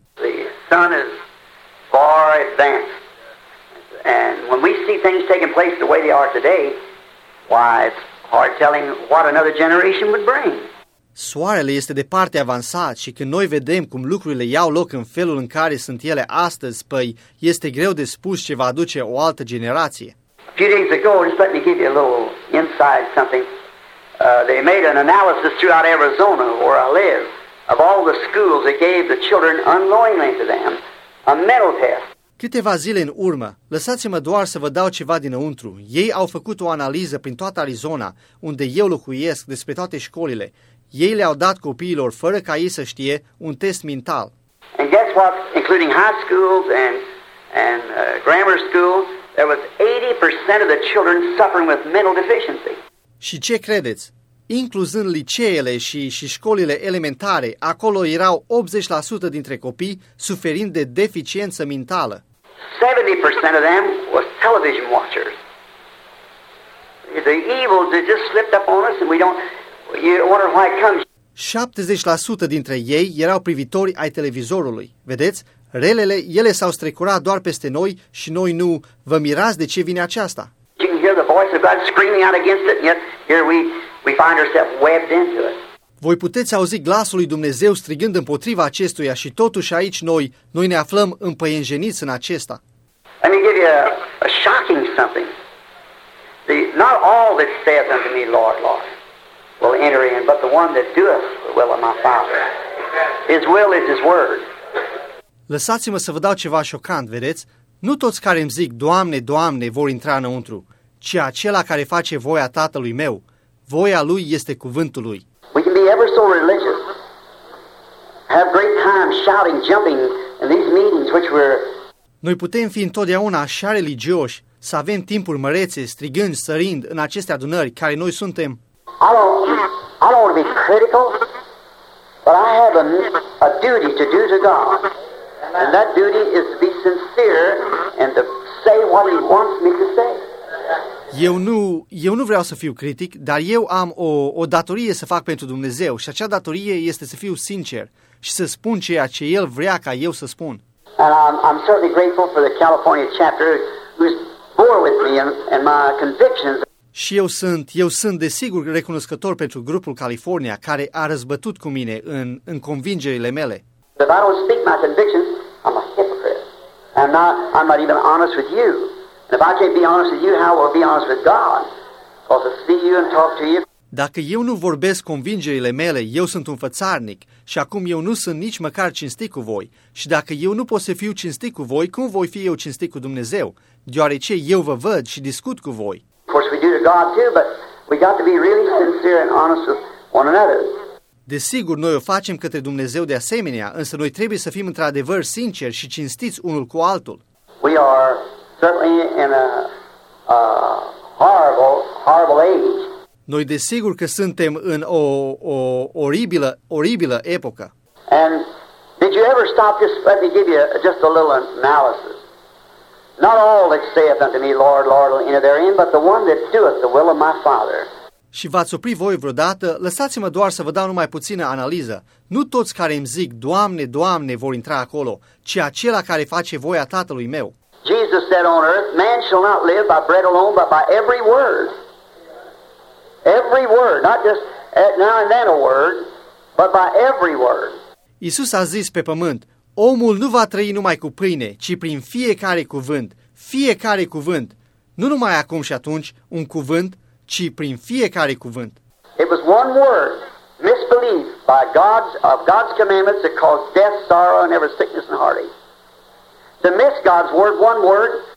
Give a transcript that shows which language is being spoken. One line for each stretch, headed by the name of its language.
English: The sun is far advanced. And when we see things taking place the way they are today, why, it's hard telling what another generation would bring.
Romanian: Soarele este departe avansat și când noi vedem cum lucrurile iau loc în felul în care sunt ele astăzi, păi este greu de spus ce va aduce o altă generație.
English: A few days ago, just let me give you a little inside something. They made an analysis throughout Arizona, where I live, of all the schools that gave the children unknowingly to them a mental test.
Romanian: Câteva zile în urmă, lăsați-mă doar să vă dau ceva dinăuntru. Ei au făcut o analiză prin toată Arizona, unde eu locuiesc, despre toate școlile. Ei le-au dat copiilor, fără ca ei să știe, un test mental.
English: And guess what, including high schools and grammar school, there was 80% of the children suffering with mental deficiency.
Romanian: Și ce credeți? Incluzând liceele și școlile elementare, acolo erau 80% dintre copii suferind de deficiență mentală.
English: 70% of them was television watchers. The evil just slipped up on us and we don't wonder why it comes.
Romanian: 70% dintre ei erau privitori ai televizorului. Vedeți? Relele, ele s-au strecurat doar peste noi și noi nu. Vă mirați de ce vine aceasta?
English: You can hear the voice of God screaming out against it, and yet here we find ourselves webbed into it.
Romanian: Voi puteți auzi glasul lui Dumnezeu strigând împotriva acestuia și totuși aici noi ne aflăm împăienjeniți în acesta.
English: Let me give you a shocking something. Not all that saith unto me, Lord, Lord, will enter in, but the one that doeth the will of my Father. His will is his word.
Romanian: Lăsați-mă să vă dau ceva șocant, vedeți? Nu toți care îmi zic, Doamne, Doamne, vor intra înăuntru, ci acela care face voia Tatălui meu. Voia lui este cuvântul lui.
English: We can be ever so religious, have great time shouting, jumping in these meetings which we're...
Romanian: Noi putem fi întotdeauna așa religioși, să avem timpuri mărețe, strigând, sărind în aceste adunări care noi suntem.
English: I don't want to be critical, but I have a duty to do to God. And that duty is to be sincere and to say what he wants me to say.
Romanian: Eu nu vreau să fiu critic, dar eu am o datorie să fac pentru Dumnezeu și acea datorie este să fiu sincer și să spun ceea ce El vrea ca eu să spun.
English: And I'm certainly grateful for the California chapter who's bore with me and my convictions.
Romanian: Și eu sunt desigur recunoscător pentru grupul California care a răzbătut cu mine în convingerile mele.
English: If I don't speak my convictions, I'm a hypocrite. I'm not even honest with you. And if I can't be honest with you, how will I be honest with God? Because to see you and talk to you.
Romanian: Dacă eu nu vorbesc convingerile mele, eu sunt un fățarnic și acum eu nu sunt nici măcar cinstit cu voi. Și dacă eu nu pot să fiu cinstit cu voi, cum voi fi eu cinstit cu Dumnezeu? Deoarece eu vă văd și discut cu voi.
English: Of course we do to God too, but we got to be really sincere and honest with one another.
Romanian: Desigur, noi o facem către Dumnezeu de asemenea, însă noi trebuie să fim într-adevăr sinceri și cinstiți unul cu altul.
English: We are certainly in a horrible age.
Romanian: Noi desigur că suntem în o oribilă, oribilă epocă.
English: And did you ever stop this? Let me give you just a little analysis. Not all that saith unto me, Lord, Lord, will enter therein, but the one that doeth the will of my Father.
Romanian: Și v-ați oprit voi vreodată? Lăsați-mă doar să vă dau numai puțină analiză. Nu toți care îmi zic, Doamne, Doamne, vor intra acolo, ci acela care face voia Tatălui meu.
English: Jesus said on earth, man shall not live by bread alone, but by every word. Every word, not just at now and then a word, but by every word.
Romanian: Iisus a zis pe pământ, omul nu va trăi numai cu pâine, ci prin fiecare cuvânt, fiecare cuvânt. Nu numai acum și atunci, un cuvânt, ci prin fiecare cuvânt.
English: It was one word, misbelief, by God's commandments that caused death, sorrow, and every sickness and heartache. To miss God's word, one word.